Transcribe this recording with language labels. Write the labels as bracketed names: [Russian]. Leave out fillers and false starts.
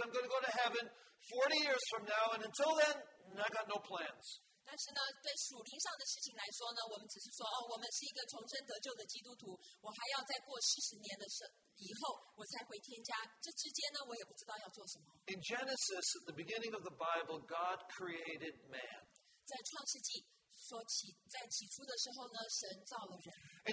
[English] I'm going to go to heaven 40 years from now, and until then, I got no plans. [Chinese] 但是呢，对属灵上的事情来说呢，我们只是说，哦，我们是一个重生得救的基督徒，我还要再过40年的时候，以后我才回天家。这之间呢，我也不知道要做什么。In [English] Genesis, at the beginning of the Bible, God created man. [Chinese] 在创世纪说起，在起初的时候呢，神造了人。And